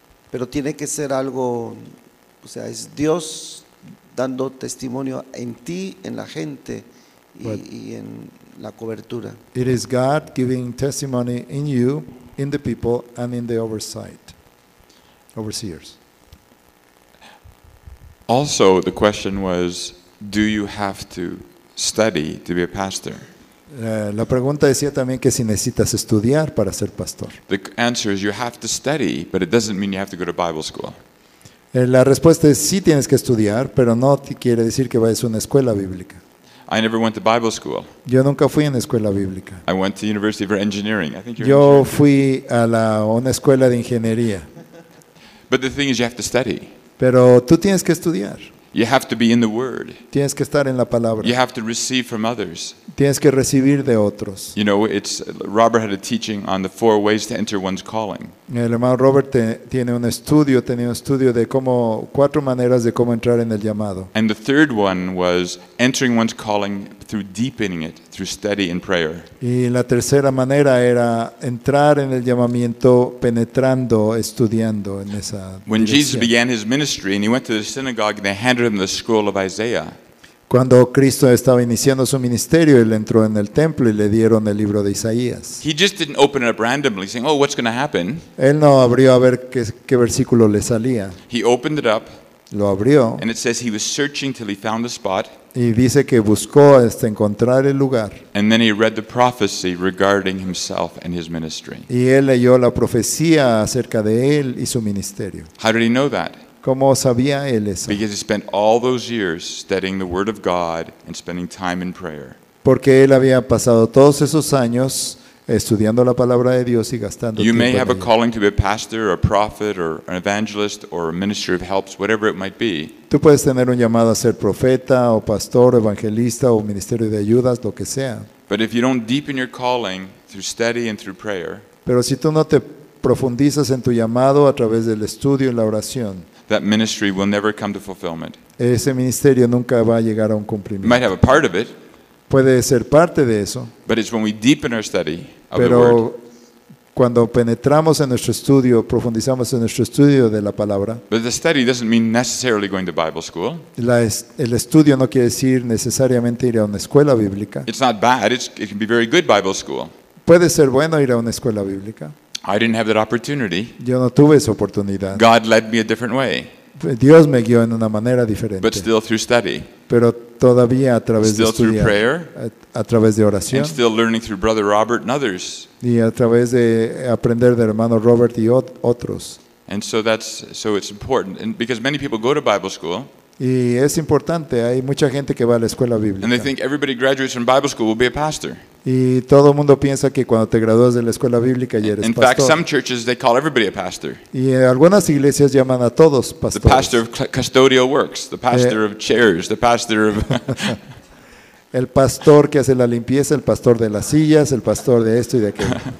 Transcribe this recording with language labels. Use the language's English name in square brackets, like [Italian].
[Spanish] Pero tiene que ser algo, o sea, es Dios dando testimonio en ti, en la gente y en la cobertura. [English] It is God giving testimony in you, in the people, and in the oversight. Overseers. Also, the question was, do you have to study to be a pastor? [Spanish] La pregunta decía también que si necesitas estudiar para ser pastor. [English] The answer is you have to study, but it doesn't mean you have to go to Bible school. [Spanish] La respuesta es sí tienes que estudiar, pero no quiere decir que vayas a una escuela bíblica. [English] I never went to Bible school. [Spanish] Yo nunca fui a una escuela bíblica. [English] I went to university for engineering. I think [Spanish] yo fui a una escuela de ingeniería. [English] But the thing is, you have to study. [Spanish] Pero tú tienes que estudiar. [English] You have to be in the Word. [Spanish] Tienes que estar en la palabra. [English] You have to receive from others. [Spanish] Tienes que recibir de otros. [English] You know, it's Robert had a teaching on the 4 ways to enter one's calling. [Spanish] El hermano Robert tenía un estudio de cómo 4 maneras de cómo entrar en el llamado. [English] And the third one was entering one's calling through deepening it through study and prayer. [Spanish] Y la tercera manera era entrar en el llamamiento penetrando, estudiando en esa dirección. [English] When Jesus began his ministry and he went to the synagogue, they handed him the scroll of Isaiah. [Spanish] Cuando Cristo estaba iniciando su ministerio, él entró en el templo y le dieron el libro de Isaías. [English] He just didn't open it up randomly, saying, "Oh, what's going to happen?" [Spanish] Él no abrió a ver qué versículo le salía. [English] He opened it up. [Spanish] Lo abrió. [English] And it says he was searching till he found the spot. [Spanish] Y dice que buscó hasta encontrar el lugar. [English] And then he read the prophecy regarding himself and his ministry. [Spanish] Y él leyó la profecía acerca de él y su ministerio. [English] How did he know that? [Spanish] ¿Cómo sabía él eso? [English] Because he spent all those years studying the Word of God and spending time in prayer. [Spanish] Porque él había pasado todos esos años estudiando la palabra de Dios y gastando tiempo. [English] You may have a calling to be a pastor or a prophet or an evangelist or a minister of helps, whatever it might be. [Spanish] Tú puedes tener un llamado a ser profeta o pastor, evangelista o ministerio de ayudas, lo que sea. [English] But if you don't deepen your calling through study and through prayer, [Spanish] pero si tú no te profundizas en tu llamado a través del estudio y la oración, [English] that ministry will never come to fulfillment. [Spanish] Ese ministerio nunca va a llegar a un cumplimiento. [English] You might have a part of it. [Spanish] Puede ser parte de eso. [English] But it's when we deepen our study of the word. [Spanish] Pero cuando penetramos en nuestro estudio, profundizamos en nuestro estudio de la palabra. [English] But the study doesn't mean necessarily going to Bible school. [Spanish] El estudio no quiere decir necesariamente ir a una escuela bíblica. [English] It's not bad. It can be very good Bible school. [Spanish] Puede ser bueno ir a una escuela bíblica. [English] I didn't have that opportunity. [Spanish] Yo no tuve esa oportunidad. [English] God led me a different way. [Spanish] Dios me guió en una manera diferente. [English] But still through study. [Spanish] Pero todavía a través [English] still [Spanish] de estudiar, [English] through prayer, [Spanish] a través de oración, [English] and still learning through Brother Robert and others. [Spanish] Y a través de aprender del hermano Robert y otros. [English] And so it's important, and because many people go to Bible school. [Spanish] Y es importante, hay mucha gente que va a la escuela bíblica. [English] And they think everybody graduates from Bible school will be a pastor. [Spanish] Y todo el mundo piensa que cuando te gradúas de la escuela bíblica ya eres [English] pastor. In fact, some churches they call everybody a pastor. [Spanish] Y algunas iglesias llaman a todos pastores. [English] The pastor of custodial works, the pastor of chairs, the pastor of [Spanish] el pastor que hace la limpieza, el pastor de las sillas, el pastor de esto y de aquello.